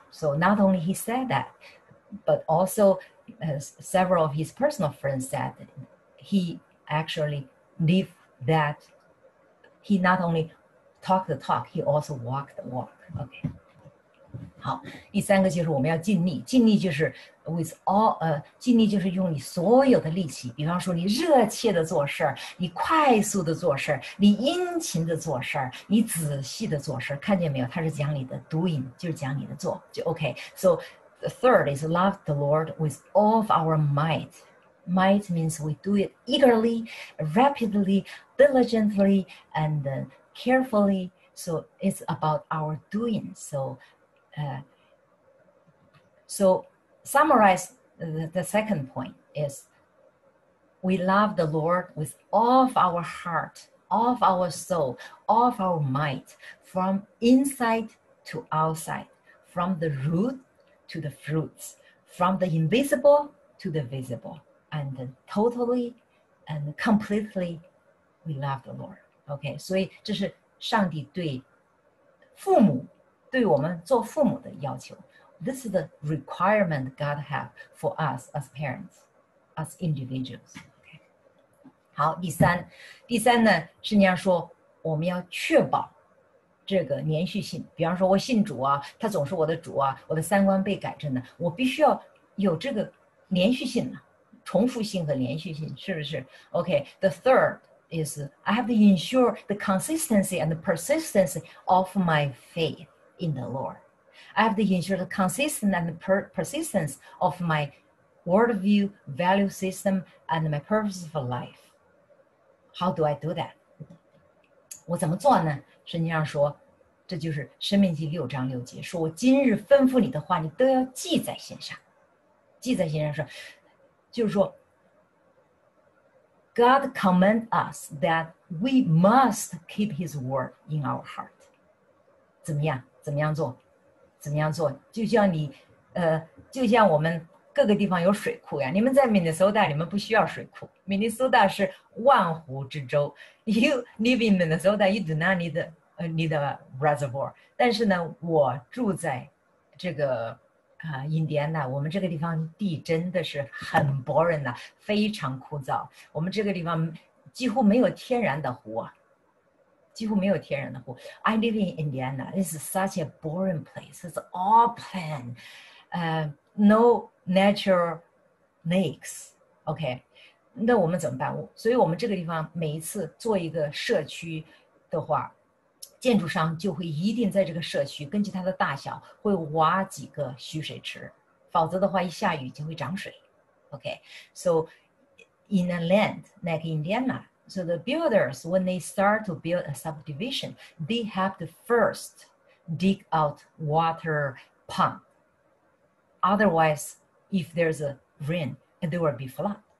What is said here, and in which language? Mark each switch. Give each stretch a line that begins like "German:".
English: So not only he said that, but also several of his personal friends said that he actually lived that. He not only talk the talk, he also walk the walk. Okay.
Chinese: 好，第三个就是我们要尽力，尽力就是
English: with all,
Chinese: 尽力就是用你所有的力气，比方说你热切的做事，你快速的做事，你殷勤的做事，你仔细的做事，看见没有，他是讲你的
English: doing,
Chinese: 就是讲你的做，就 okay.
English: So the third is love the Lord with all of our might. Might means we do it eagerly, rapidly, diligently, and then,carefully, so it's about our doing. So summarize the second point is we love the Lord with all of our heart, all of our soul, all of our might, from inside to outside, from the root to the fruits, from the invisible to the visible, and totally and completely we love the Lord.
Chinese: Okay, 所以这是上帝对父母，对我们做父母的要求。
English: This is the requirement God has for us as parents, as individuals. Okay.
Chinese: 好，第三呢，圣经说我们要确保这个连续性。比方说我信主啊，他总是我的主啊，我的三观被改正的，我必须要有这个连续性，重复性和连续性，是不是 ？
English: Okay, the third. Is I have to ensure the consistency and the persistence of my faith in the Lord. I have to ensure the consistency and the persistence of my worldview, value system, and my purpose for life. How do I do that?
Chinese: 我怎么做呢？圣经上说，这就是《申命记》六章六节，说我今日吩咐你的话，你都要记在心上。记在心上说，就是说。 God command us that we must keep His word in our heart. 怎么样？怎么样做？怎么样做？就像你，就像我们各个地方有水库呀。你们在 Minnesota， 你们不需要水库。Minnesota 是万湖之州。
English: You live in Minnesota, you do not need need a reservoir.
Chinese: 但是呢，我住在这个。印第安纳，我们这个地方地真的是很
English: boring
Chinese: 的，非常枯燥。我们这个地方几乎没有天然的湖啊，几乎没有天然的湖。
English: I live in Indiana. It's such a boring place. It's all plain. No natural lakes. Okay.
Chinese: 那我们怎么办？所以我们这个地方每一次做一个社区的话，建筑商就会一定在这个社区根据它的大小会挖几个蓄水池，否则的话一下雨就会涨水。
English: OK, so in a land like Indiana, so the builders, when they start to build a subdivision, they have to first dig out water pump. Otherwise, if there's a rain, there will be flood.